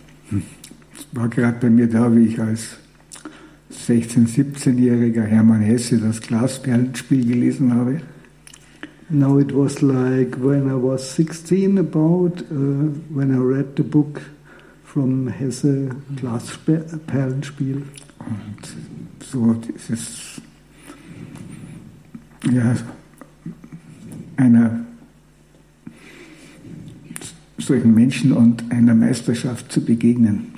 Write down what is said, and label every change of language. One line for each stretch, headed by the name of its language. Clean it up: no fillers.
German: Es war gerade bei mir da, wie ich als 16-, 17-jähriger Hermann Hesse das Glasperlenspiel gelesen habe.
English: Now it was like when I was 16 about, when I read the book from Hesse, Glasperlenspiel.
German: Und so dieses, ja, einer solchen Menschen und einer Meisterschaft zu begegnen.